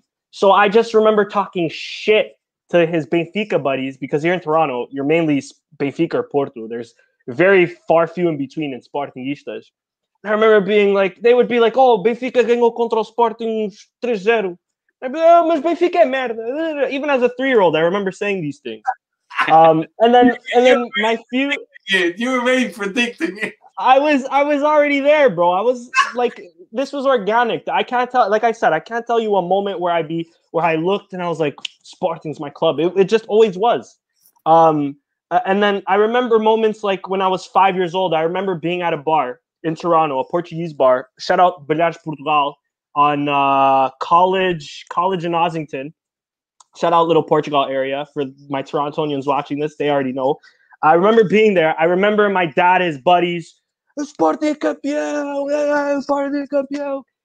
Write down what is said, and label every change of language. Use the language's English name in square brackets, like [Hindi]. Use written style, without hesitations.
[English] So I just remember talking shit to his Benfica buddies, because here in Toronto, you're mainly Benfica or Porto. There's very far few in between in Sportingistas. I remember being like, they would be like, oh, [Portuguese] Benfica ganhou contra o Sporting 3-0. [English] I'd be like, oh, [Portuguese] mas Benfica é merda. [English] Even as a 3-year-old, I remember saying these things. And then my few... Yeah, you were really predicting it. I was already there, bro. I was like, this was organic. I can't tell. Like I said, I can't tell you a moment where I looked and I was like, Sporting's my club. It just always was. And then I remember moments like when I was 5 years old. I remember being at a bar in Toronto, a Portuguese bar. Shout out Bilhares Portugal on college in Ossington. Shout out Little Portugal area for my Torontonians watching this. They already know. I remember being there. I remember my dad, his buddies, [Portuguese] Sporting campeão, Sporting campeão.